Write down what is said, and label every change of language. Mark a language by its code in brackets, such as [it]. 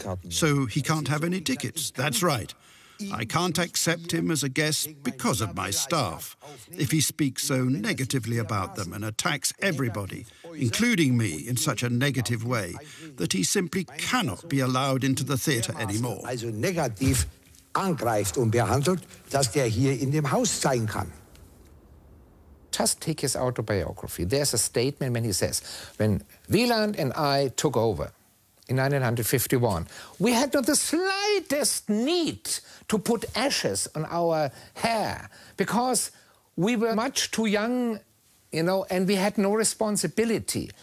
[en] So he can't have any tickets. That's right. I can't accept him as a guest because of my staff, if he speaks so negatively about them and attacks everybody, including me, in such a negative way, that he simply cannot be allowed into the theatre anymore. [de] Angreift und behandelt, dass der hier in dem Haus sein kann. [en] Just take his autobiography. There's a statement when he says, when Wieland and I took over in 1951, we had not the slightest need to put ashes on our hair because we were much too young, you know, and we had no responsibility.